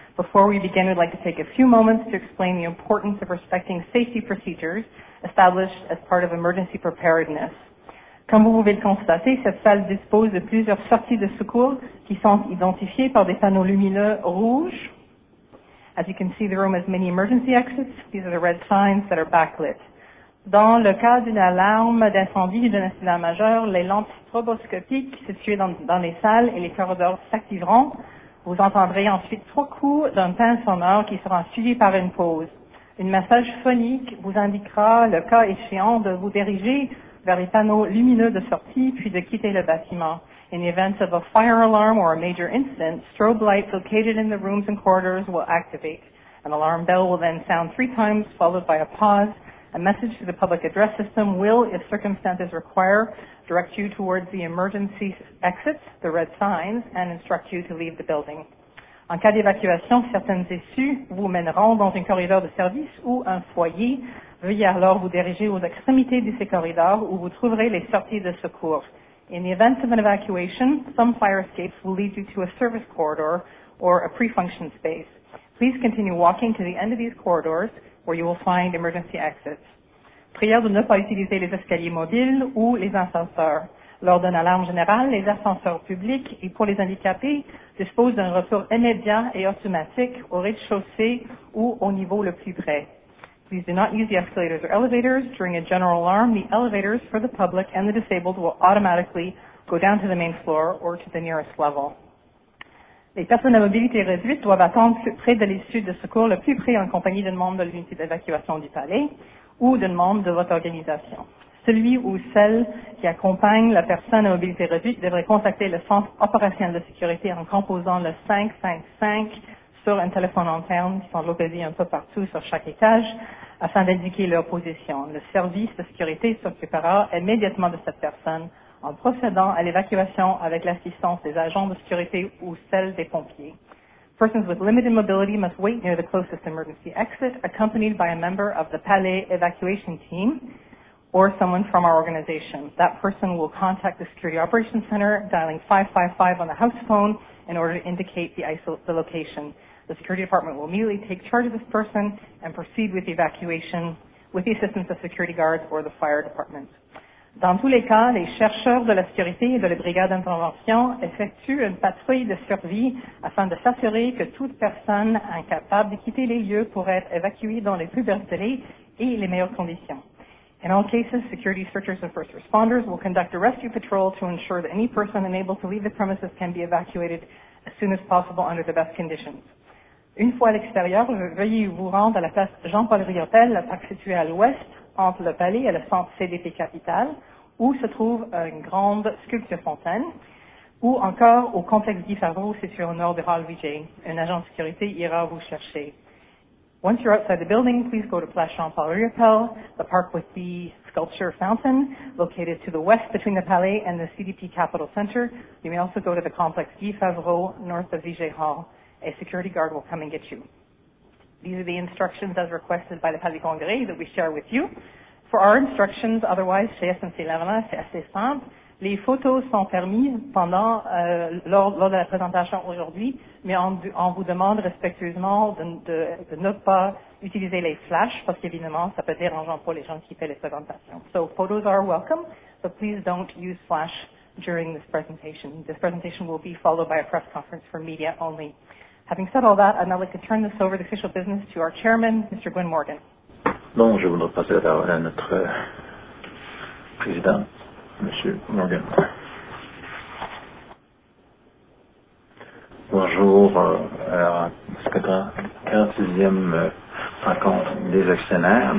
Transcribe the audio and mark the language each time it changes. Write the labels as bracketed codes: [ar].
[en] Before we begin, we'd like to take a few moments to explain the importance of respecting safety procedures established as part of emergency preparedness. [fr] Comme vous pouvez le constater, cette salle dispose de plusieurs sorties de secours qui sont identifiées par des panneaux lumineux rouges. As you can see, the room has many emergency exits. These are the red signs that are backlit. Dans le cas d'une alarme d'incendie d'un incident majeur, les lampes stroboscopiques situées dans les salles et les corridors s'activeront. Vous entendrez ensuite trois coups d'un pin sonore qui sera suivi par une pause. Une message phonique vous indiquera le cas échéant de vous diriger vers les panneaux lumineux de sortie, puis de quitter le bâtiment. [en] In the event of a fire alarm or a major incident, strobe lights located in the rooms and corridors will activate. An alarm bell will then sound three times, followed by a pause. A message to the public address system will, if circumstances require, direct you towards the emergency exits, the red signs, and instruct you to leave the building. [fr] En cas d'évacuation, certaines issues vous mèneront dans un corridor de service ou un foyer. Veuillez alors vous diriger aux extrémités de ces corridors où vous trouverez les sorties de secours. [en] In the event of an evacuation, some fire escapes will lead you to a service corridor or a pre-function space. Please continue walking to the end of these corridors where you will find emergency exits. [fr] Priez de ne pas utiliser les escaliers mobiles ou les ascenseurs. Lors d'une alarme générale, les ascenseurs publics et pour les handicapés disposent d'un retour immédiat et automatique au rez-de-chaussée ou au niveau le plus près. [en] Please do not use the escalators or elevators. During a general alarm, the elevators for the public and the disabled will automatically go down to the main floor or to the nearest level. [fr] Les personnes à mobilité réduite doivent attendre près de l'issue de secours le plus près en compagnie d'un membre de l'unité d'évacuation du palais ou d'un membre de votre organisation. Celui ou celle qui accompagne la personne à mobilité réduite devrait contacter le centre opérationnel de sécurité en composant le 555 sur un téléphone interne qui sont localisés un peu partout sur chaque étage afin d'indiquer leur position. Le service de sécurité s'occupera immédiatement de cette personne en procédant à l'évacuation avec l'assistance des agents de sécurité ou celle des pompiers. [en] Persons with limited mobility must wait near the closest emergency exit accompanied by a member of the Palais Evacuation Team or someone from our organization. That person will contact the Security Operations Center dialing 555 on the house phone in order to indicate the location. The security department will immediately take charge of this person and proceed with the evacuation with the assistance of security guards or the fire department. [fr] Dans tous les cas, les chercheurs de la sécurité et de la brigade d'intervention effectuent une patrouille de survie afin de s'assurer que toute personne incapable de quitter les lieux pourrait être évacuée dans les plus brefs délais et les meilleures conditions. [en] In all cases, security searchers and first responders will conduct a rescue patrol to ensure that any person unable to leave the premises can be evacuated as soon as possible under the best conditions. [fr] Une fois à l'extérieur, veuillez vous rendre à la place Jean-Paul Riotel, la plaque située à l'ouest entre le palais et le centre CDP Capital, où se trouve une grande sculpture fontaine, ou encore au complexe Guy Favreau situé au nord de Hall VJ. Un agent de sécurité ira vous chercher. [en] Once you're outside the building, please go to Place Jean-Paul-Riopel, the park with the sculpture fountain, located to the west between the Palais and the CDP Capital Center. You may also go to the complex Guy Favreau, north of Vigée Hall. A security guard will come and get you. These are the instructions as requested by the Palais Congrès that we share with you. For our instructions, otherwise, [fr] chez SNC-Lavalin, c'est assez simple. Les photos sont permises pendant lors de la présentation aujourd'hui, mais on vous demande respectueusement de ne pas utiliser les flashs parce qu'évidemment ça peut déranger pour les gens qui font les présentations. [en] So photos are welcome, but please don't use flash during this presentation. This presentation will be followed by a press conference for media only. Having said all that, I'd now like to turn this over to official business to our chairman, Mr. Gwynne Morgan. [fr] Bon, je voudrais passer la parole à notre président. Monsieur Morgan. Bonjour à la 46e rencontre des actionnaires.